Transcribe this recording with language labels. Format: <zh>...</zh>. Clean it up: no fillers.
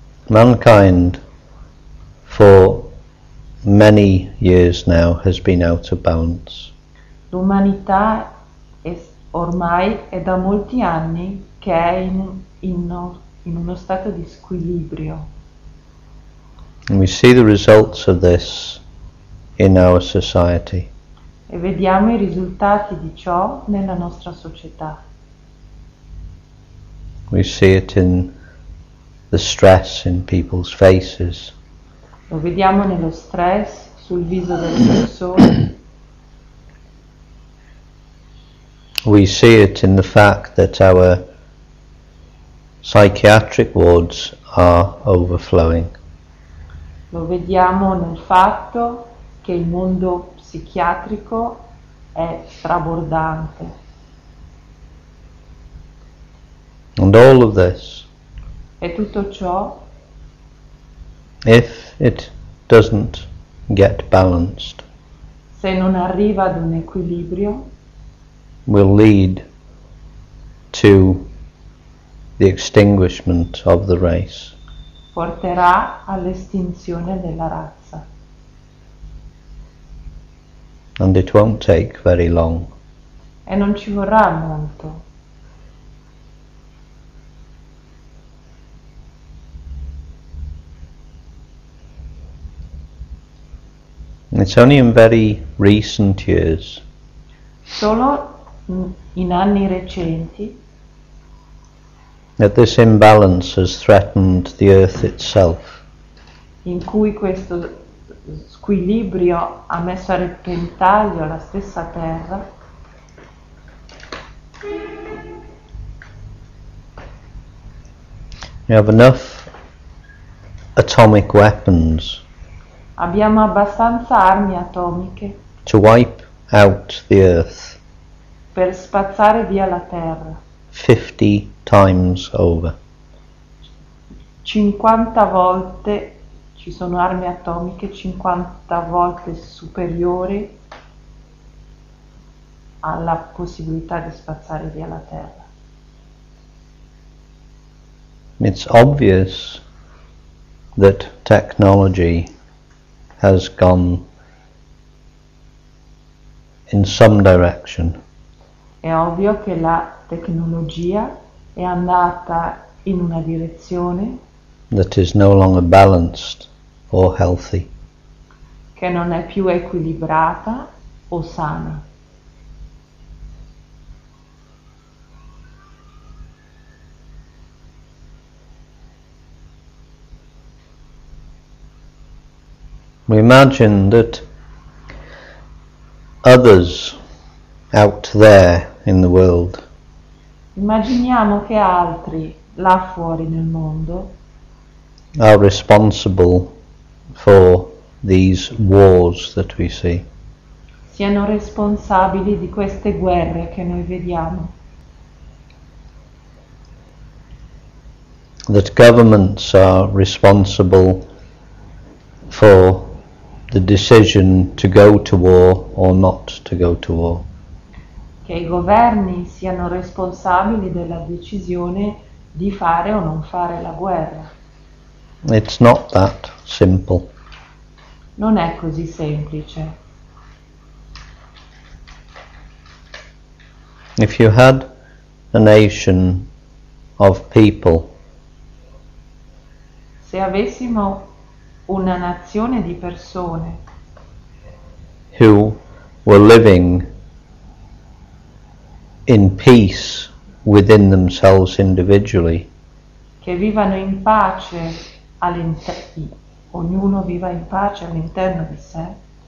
<en>Mankind for many years now has been out of balance.</en> <it>L'umanità ormai è da molti anni che è in uno stato di squilibrio.</it> <en>And we see the results of this in our society.</en> <it>e vediamo i risultati di ciò nella nostra società.</it> <en>We see it in the stress in people's faces.</en> <it>Lo vediamo nello stress sul viso delle persone.</it> <en>We see it in the fact that our psychiatric wards are overflowing.</en> <it>Lo vediamo nel fatto che il mondo psichiatrico è strabordante.</it> <en>And all of this,</en> <it>e tutto ciò,</it> <en>if it doesn't get balanced,</en> <it>se non arriva ad un equilibrio,</it> <en>will lead to the extinguishment of the race.</en> <it>Porterà all'estinzione della razza.</it> <en>And it won't take very long.</en> <it>E non ci vorrà molto.</it> <en>It's only in very recent years.</en> <it>Solo in anni recenti.</it> <en>That this imbalance has threatened the earth itself.</en> <it>In cui questo squilibrio ha messo a repentaglio la stessa terra.</it> <en>We have enough atomic weapons.</en> <it>Abbiamo abbastanza armi atomiche.</it> <en>To wipe out the earth.</en> <it>Per spazzare via la terra.</it> <en>50 times over.</en> <it>50 volte ci sono armi atomiche, 50 volte superiori alla possibilità di spazzare via la terra.</it> <en>It's obvious that technology has gone in some direction.</en> <it>È ovvio che la tecnologia è andata in una direzione</it> <en>that is no longer balanced or healthy.</en> <it>Che non è più equilibrata o sana.</it> <en>We imagine that others out there in the world.</en> <it>Immaginiamo che altri là fuori nel mondo</it> <en>are responsible for these wars that we see.</en> <it>Siano responsabili di queste guerre che noi vediamo.</it> <en>That governments are responsible for the decision to go to war or not to go to war.</en> <it>Che i governi siano responsabili della decisione di fare o non fare la guerra.</it> <en>It's not that simple.</en> <it>Non è così semplice.</it> <en>If you had a nation of people,</en> <it>se avessimo una nazione di persone,</it> <en>who were living in peace within themselves individually,</en> <it>che vivano in pace all'interno, ognuno viva in pace all'interno di sé,</it>